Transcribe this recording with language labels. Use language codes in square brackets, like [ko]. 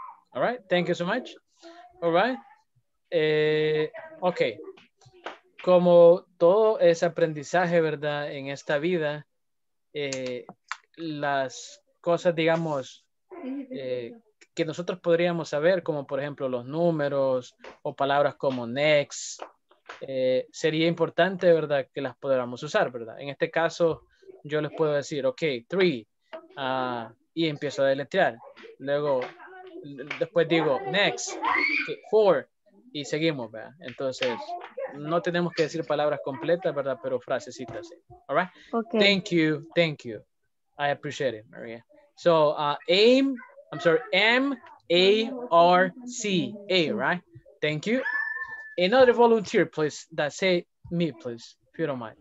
[en] All right, thank you so much. All right. Okay. [es] como todo es aprendizaje, ¿verdad? En esta vida, las cosas, digamos, que nosotros podríamos saber, como por ejemplo los números o palabras como next, sería importante, ¿verdad? Que las podamos usar, ¿verdad? En este caso, yo les puedo decir, ok, three, y empiezo a deletrear. Luego, después digo, next, okay, four, y seguimos, ¿verdad? Entonces, no tenemos que decir palabras completas, ¿verdad? Pero frasecitas, ¿eh? [en] All right? Okay. Thank you, I appreciate it, Maria. So, aim, I'm sorry, M-A-R-C, A, right? Thank you. Another volunteer, please, that say me, please, if you don't mind.